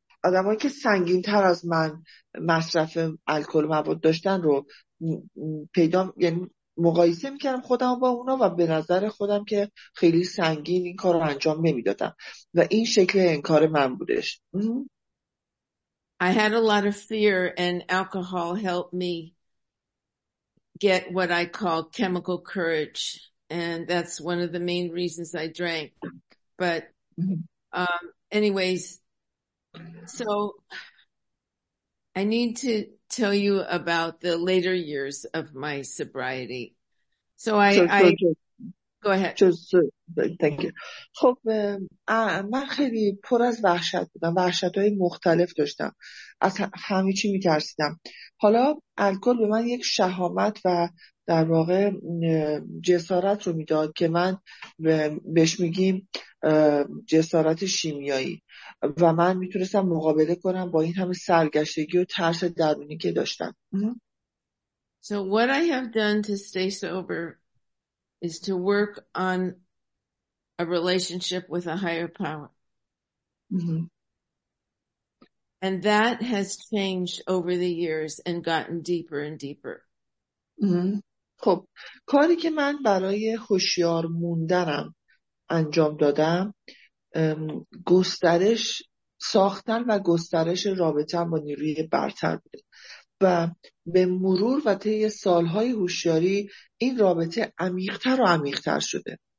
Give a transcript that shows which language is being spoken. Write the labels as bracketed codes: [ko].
[fa] آدمایی که سنگین تر از من مصرف الکل و مواد داشتن رو پیدا، یعنی مقایسه میکردم خودم با اونا و به نظر خودم که خیلی سنگین این کار رو انجام نمیدادم و این شکل انکار من بودش. [en] I had a lot of fear and alcohol helped me get what I call chemical courage. And that's one of the main reasons I drank. But anyways, so I need to tell you about the later years of my sobriety. So go ahead. Thank you. [fa] خب من خیلی پر از وحشت بودم، وحشت‌های مختلف داشتم، از همه چی می‌ترسیدم. حالا الکل به من یک شهامت و در واقع جسارت رو میداد که من بهش میگیم جسارت شیمیایی و من میتونستم مقابله کنم با این همه سرگشتگی و ترس درونی که داشتم. [en] So what I have done to stay sober is to work on a relationship with a higher power. And that has changed over the years and gotten deeper and deeper. [fa] خب کاری که من برای هوشیار موندنم انجام دادم گسترش ساختن و گسترش رابطه‌ام با نیروی برتر بود و به مرور و طی سالهای هوشیاری این رابطه عمیق‌تر و عمیق‌تر شده.